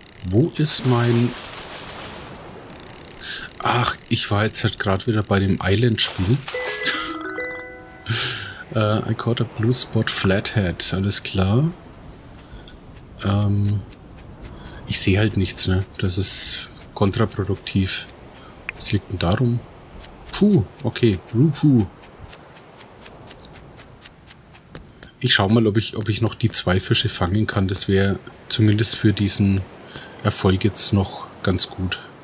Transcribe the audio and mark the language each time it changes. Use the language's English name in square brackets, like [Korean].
[German] Wo ist mein... Ach, ich war jetzt halt gerade wieder bei dem Island-Spiel. [English] I caught a blue spot flathead. [German] Alles klar. Ich sehe halt nichts, ne? Das ist kontraproduktiv. Was liegt denn darum? Puh, okay. Puh. Ich schau mal, ob ich noch die zwei Fische fangen kann. Das wäre zumindest für diesen Erfolg jetzt noch ganz gut.